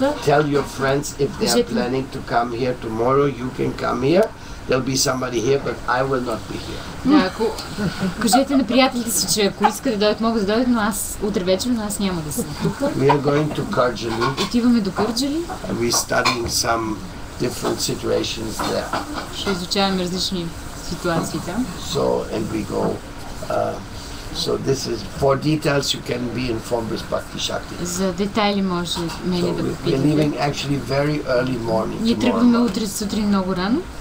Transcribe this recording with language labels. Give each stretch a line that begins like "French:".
English: So tell your friends if they are planning to come here tomorrow, you can come here. There'll be somebody here, but I will not be here.
Bulgarian: Да, кажете на приятелите си, че ако искат да дойдат, могат да дойдат, но аз утре вечер, но аз няма да съм тук.
English: We are going to Kurjali.
Bulgarian: Отиваме до Кърджали.
English: And we're studying some different situations there.
Bulgarian: Ще изучаваме различни ситуации там.
English: So, and we go So this is for details you can be informed with Bhakti Shakti.
Bulgarian: За детайли може мене да попитате.
English: We're leaving actually very early morning.
Bulgarian: Ние тръгваме утре сутрин много рано.